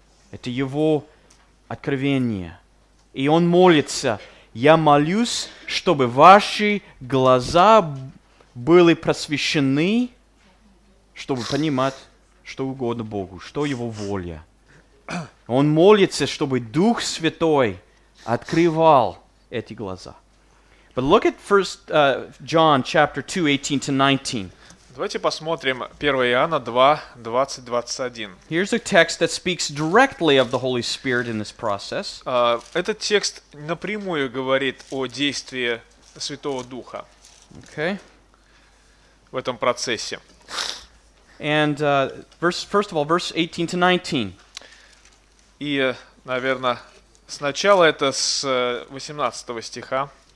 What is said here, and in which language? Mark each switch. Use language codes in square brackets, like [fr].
[ru] Это его откровение. И он молится: «Я молюсь, чтобы ваши глаза были просвещены, чтобы понимать что угодно Богу, что Его воля». Он молится, чтобы Дух Святой открывал эти глаза. [en] But look at first, John chapter 2, 18-19. [ru] Давайте посмотрим 1 Иоанна 2, 20-21. [en] Here's a text that speaks directly of the Holy Spirit in this process. [ru] Этот текст напрямую говорит о действии Святого Духа. [en] Okay. [ru] В этом процессе. [en] And first of all, verse 18-19. [ru] И, наверное, сначала это с 18 стиха.